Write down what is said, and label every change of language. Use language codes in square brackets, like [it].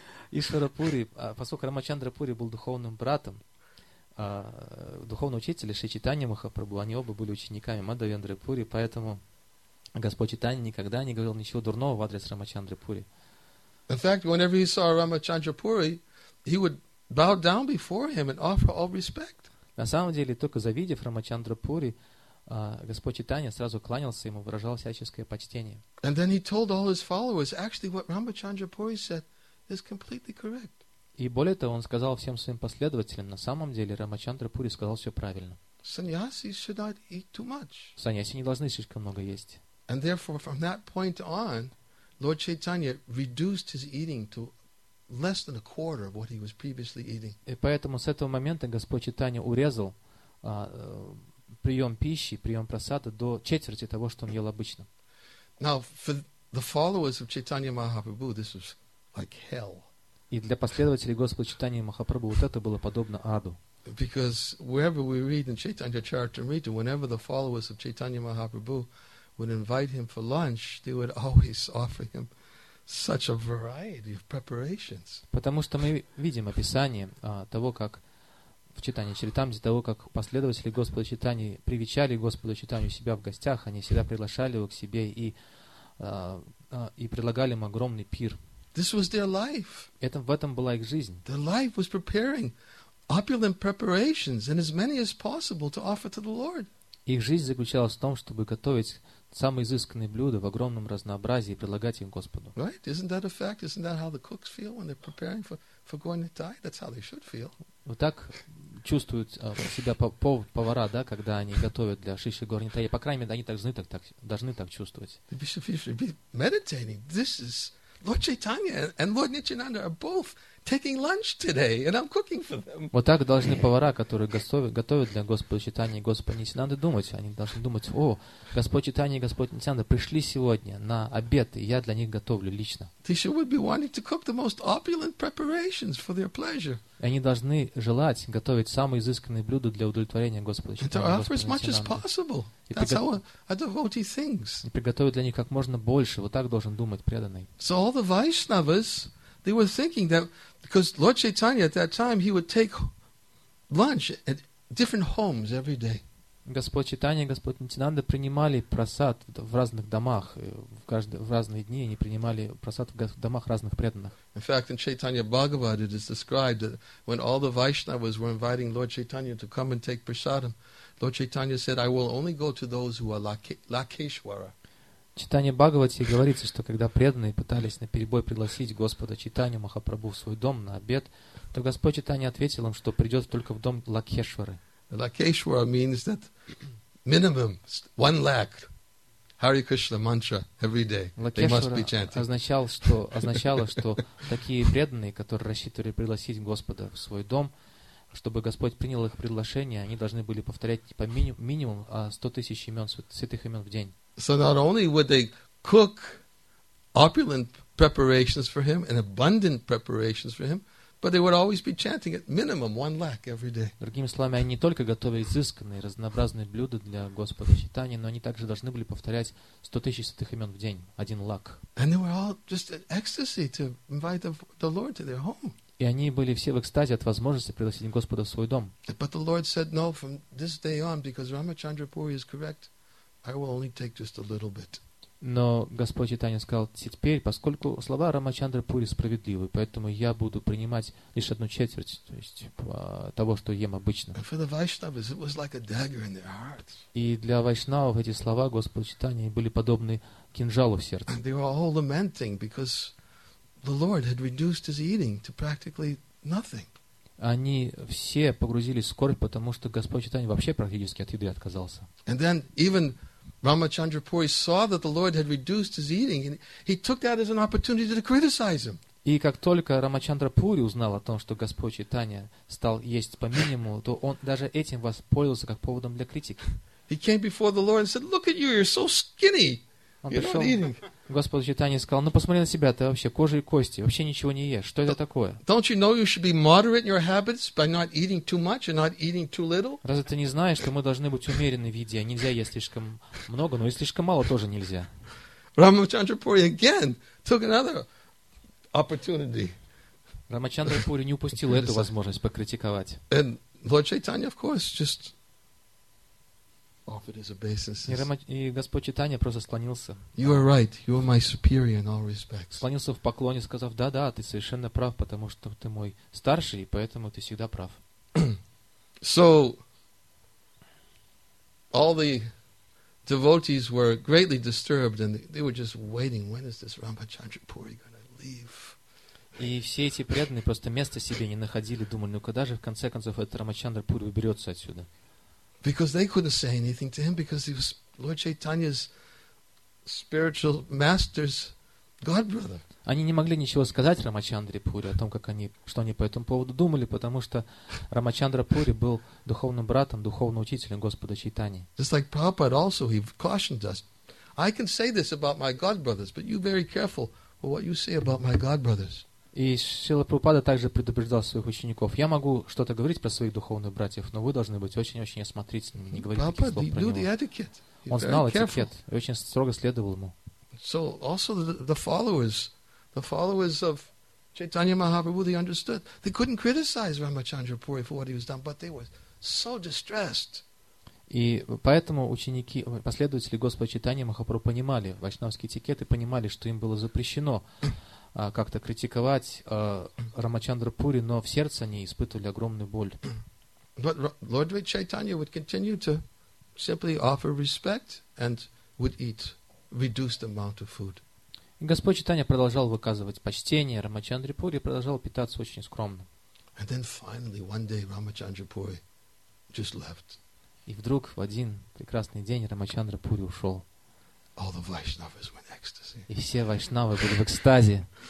[ru] Ишвара Пури, поскольку Рамачандра Пури был духовным братом духовный учитель Шри Чайтанья Махапрабху, они оба были учениками Мадхавендры Пури, поэтому Господь Чайтанья никогда не говорил ничего дурного в адрес Рамачандры Пури. [en] In fact, whenever he saw Ramachandra Puri, he would bow down before him and offer all respect. [ru] На самом деле, только завидев Рамачандра Пури, Господь Чайтанья сразу кланялся ему, выражал всяческое почтение. [en] And then he told all his followers, actually, what Ramachandra Puri said is completely correct. [ru] И более того, он сказал всем своим последователям, на самом деле Рамачандра Пури сказал все правильно. [en] Саньяси should not eat too much. [ru] Саньяси не должны слишком много есть. [en] And therefore, from that point on, Lord Chaitanya reduced his eating to less than a quarter of what he was previously eating. [ru] И поэтому с этого момента Господь Чайтанья урезал прием пищи, прием просады до четверти того, что он ел обычно. [en] Now, for the followers of Chaitanya Mahaprabhu, this was like hell. [ru] И для последователей Господа Чайтанья Махапрабху вот это было подобно аду. [en] Because wherever we read in Chaitanya Charitamrita, whenever the followers of Chaitanya Mahaprabhu would invite him for lunch, they would always offer him such a variety of preparations. [ru] Потому что мы видим описание того, как в Чайтанья Чаритамрите, того, как последователи Господа Чайтаньи привечали Господа Чайтанью себя в гостях, они всегда приглашали его к себе и предлагали ему огромный пир. [en] This was their life. [ru] В этом была их жизнь. [en] Their life was preparing opulent preparations and as many as possible to offer to the Lord. [ru] Их жизнь заключалась в том, чтобы готовить самые изысканные блюда в огромном разнообразии и предлагать их Господу. [en] Right? Isn't that a fact? Isn't that how the cooks feel when they're preparing for going to die? That's how they should feel. [ru] Вот так чувствуют себя повара, да, когда они готовят для Шиши Горнитая. По крайней мере, они должны так чувствовать. [en] They should be meditating. This is Lord Chaitanya and Lord Nityananda are both taking lunch today, and I'm cooking for them. [ru] Вот так должны повара, которые готовят для Господа Чайтаньи и Господа Нитьянанды, думать. Они должны думать: о, Господь Чайтанья и Господь Нитьянанда пришли сегодня на обед, и я для них готовлю лично. [en] They should be wanting to cook the most opulent preparations for their pleasure. [ru] Они должны желать готовить самые изысканные блюда для удовлетворения Господа Чайтаньи и Господа Нитьянанды. [en] And to offer as much as possible. That's how a devotee thinks. [ru] И приготовить для них как можно больше. Вот так должен думать преданный. [en] So all the Vaishnavas, they were thinking that because Lord Chaitanya at that time, he would take lunch at different homes every day. [ru] Господь Чайтанья, Господь Нитьянанда принимали просад в разных домах в разные дни, они принимали просад в домах разных преданных. [en] In fact, in Chaitanya Bhagavad, it is described that when all the Vaishnavas were inviting Lord Chaitanya to come and take prasadam, Lord Chaitanya said, I will only go to those who are Lakeshwara. [ru] Читание Бхагавати говорится, что когда преданные пытались наперебой пригласить Господа Чайтанью Махапрабху в свой дом на обед, то Господь Чайтанья ответил им, что придет только в дом Лакхешвары. [en] Лакхешвара means that minimum 1 lakh Hare Krishna mantra every day. [ru] Означало, что такие преданные, которые рассчитывали пригласить Господа в свой дом, чтобы Господь принял их приглашение, они должны были повторять по минимум 100 тысяч имен, святых имен в день. [en] So not only would they cook opulent preparations for him and abundant preparations for him, but they would always be chanting at minimum 1 lakh every day. [ru] Другими словами, они не только готовили изысканные, разнообразные блюда для Господа Чайтаньи, но они также должны были повторять 100 тысяч святых имен в день, 1 lakh. [en] And they were all just in ecstasy to invite the Lord to their home. [ru] И они были все в экстазе от возможности пригласить Господа в свой дом. [en] But the Lord said no from this day on because Ramachandra Puri is correct. I will only take just a little bit. [ru] Но Господь Чайтанья сказал: теперь, поскольку слова Рамачандры Пури справедливы, поэтому я буду принимать лишь 1/4, то есть того, что ем обычно. [en] And for the Vaishnavas, it was like a dagger in their hearts. [ru] И для вайшнавов эти слова Господа Чайтаньи были подобны кинжалу в сердце. [en] And they were all lamenting because the Lord had reduced his eating to practically nothing. [ru] Они все погрузились в скорбь, потому что Господь Чайтанья вообще практически от еды отказался. [en] And then even Ramachandra Puri saw that the Lord had reduced his eating, and he took that as an opportunity to criticize him. [ru] И как только Рамачандра Пури узнал о том, что Господь Чайтанья стал есть по минимуму, то он даже этим воспользовался как поводом для критики. [en] He came before the Lord and said, "Look at you, you're so skinny. You're not eating." [ru] Господь Чайтанья сказал: ну посмотри на себя, ты вообще кожа и кости, вообще ничего не ешь. Что это такое? [en] Don't you know you should be moderate in your habits by not eating too much and not eating too little? [ru] Разве ты не знаешь, что мы должны быть умеренны в еде? Нельзя есть слишком много, но и слишком мало тоже нельзя. Рамачандра Пури again took another opportunity. Рамачандра Пури не упустил эту возможность покритиковать. [en] And Lord Chaitanya, of course, just offered his obeisances. [ru] И Господь Чайтанья просто склонился. [en] You are right. You are my superior in all respects. [ru] Склонился в поклоне, сказав: "Да, да, ты совершенно прав, потому что ты мой старший, и поэтому ты всегда прав." [en] So all the devotees were greatly disturbed, and they were just waiting. When is this Ramachandrapuri going to leave? [ru] И все эти преданные просто места себе не находили, думали: ну когда же в конце концов этот Рамачандрапури уберется отсюда? [en] Because they couldn't say anything to him because he was Lord Chaitanya's spiritual master's god brother. [ru] Они не могли ничего сказать Рамачандрапури о том, как они, что они по этому поводу думали, потому что Рамачандрапури был духовным братом, духовным учителем Господа Чайтаньи. [en] Just like Prabhupada also, he cautioned us: I can say this about my god brothers, but you very careful with what you say about my god brothers. [ru] И Шрила Прабхупада также предупреждал своих учеников: я могу что-то говорить про своих духовных братьев, но вы должны быть очень-очень осмотрительными, не говорить таких слов про него. Он знал этикет и очень строго следовал ему. [en] So also the followers of Chaitanya Mahaprabhu, they understood. They couldn't criticize Рамачандрапури for what he was done, but they were so distressed. [ru] И поэтому ученики, последователи Господа Чайтаньи Махапрабху понимали вайшнавские этикеты, понимали, что им было запрещено как-то критиковать Рамачандрапури, но в сердце они испытывали огромную боль. [en] But Lord Chaitanya would continue to simply offer respect and would eat reduced amount of food. [ru] И Господь Чайтанья продолжал выказывать почтение Рамачандрапури и продолжал питаться очень скромно. [en] And then finally one day Рамачандрапури just left. [ru] И вдруг в один прекрасный день Рамачандрапури ушел. [en] All the Vaishnavas were in ecstasy. [ru] И все вайшнавы были в экстазе.